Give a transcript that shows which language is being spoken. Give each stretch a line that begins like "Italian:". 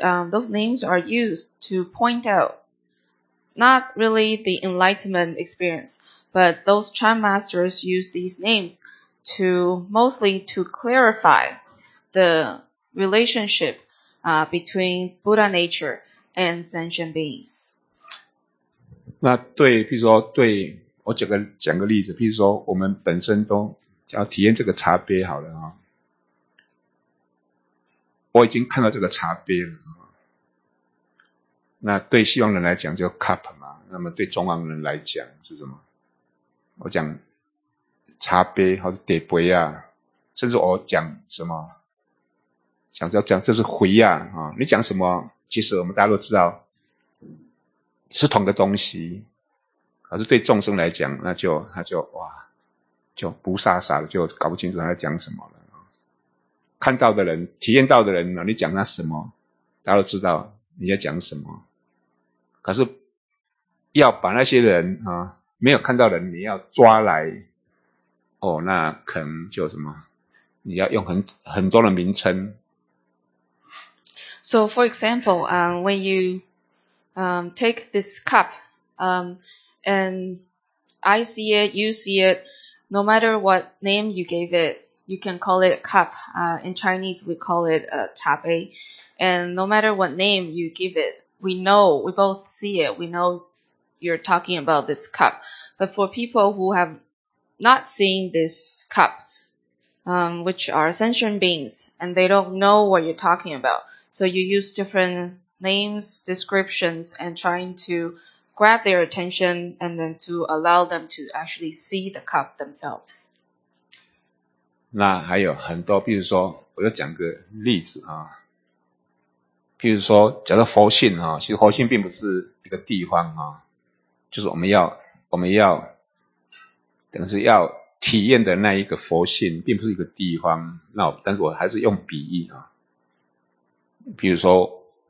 English: Those names are used to point out not really the Enlightenment experience, but those chime masters use these names mostly to clarify the relationship between Buddha nature and sentient beings.
Chinese: 那对，比如说对，我讲个例子，比如说我们本身都要体验这个茶杯好了啊。我已经看到这个茶杯了，那对西方人来讲就 cup 嘛，那么对中国人来讲是什么？我讲茶杯或是碟杯啊，甚至我讲什么，想要讲这是回啊，你讲什么，其实我们大家都知道是同个东西，可是对众生来讲，那就他就哇，就不傻傻的，就搞不清楚他在讲什么了。看到的人，体验到的人，你讲他什么，大家都知道你在讲什么。可是要把那些人啊，没有看到的人，你要抓来，哦，那可能就什么，你要用很多的名称。
English: So for example, when you take this cup, and I see it, you see it, no matter what name you gave it. You can call it a cup. In Chinese, we call it a 茶杯. And no matter what name you give it, we know, we both see it. We know you're talking about this cup. But for people who have not seen this cup, which are sentient beings, and they don't know what you're talking about, so you use different names, descriptions, and trying to grab their attention and then to allow them to actually see the cup themselves.
Chinese: 那还有很多，比如说我要讲个例子啊，比如说假如佛性啊，其实佛性并不是一个地方啊，就是我们要等于是要体验的那一个佛性并不是一个地方，那但是我还是用比喻啊，比如说